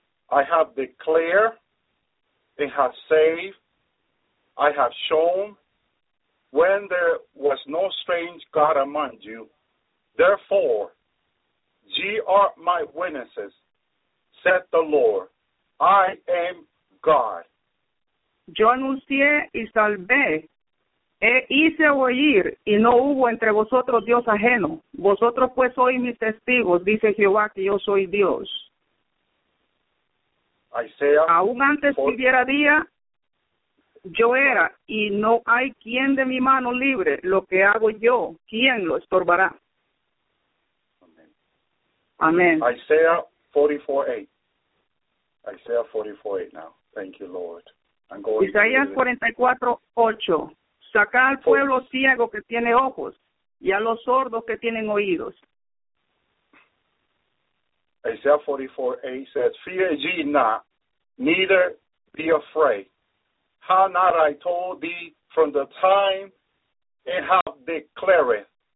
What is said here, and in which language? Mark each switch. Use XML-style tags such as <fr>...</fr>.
<en>I have declared and have saved, I have shown, when there was no strange God among you. Therefore, ye are my witnesses, saith the Lord. I am God.</en> <es>Yo anuncié y salvé, e hice oír, y no hubo entre vosotros Dios ajeno. Vosotros pues sois mis testigos, dice Jehová, que yo soy Dios.</es> <en>Isaiah,</en> <es>aún antes que hubiera día, yo era, y no hay quien de mi mano libre. Lo que hago yo, ¿quién lo estorbará? Amén.</es> <en>Isaiah 44:8 now. Thank you, Lord.</en> <es>Isaías 44:8. Saca al pueblo ciego que tiene ojos y a los sordos que tienen oídos.</es> <en>Isaiah 44:8 says, fear ye not, neither be afraid. How not I told thee from the time and have declared.</en>